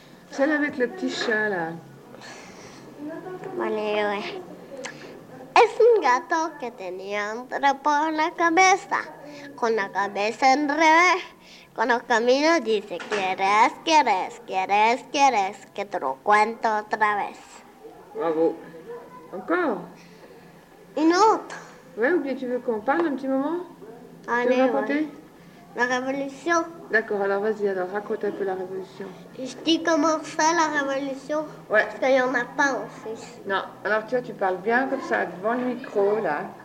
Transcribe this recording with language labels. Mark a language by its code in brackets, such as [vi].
[fr] Celle avec le petit chat, là. [es] Vale, [fr] ouais. [es] Es un gato que tenía un trapo en la cabeza, con la cabeza en revés. Cuando camina dice, quieres, que te lo cuento otra vez. [fr] Bravo. Encore. Une autre. Ouais, ou bien tu veux qu'on parle un petit moment? Tu veux Allez, ouais. raconter? La révolution. D'accord, alors vas-y, alors raconte un peu la révolution. Je dis comment ça la révolution, Ouais. parce qu'il n'y en a pas en Suisse. Non, alors tu vois, tu parles bien comme ça, devant le micro, là.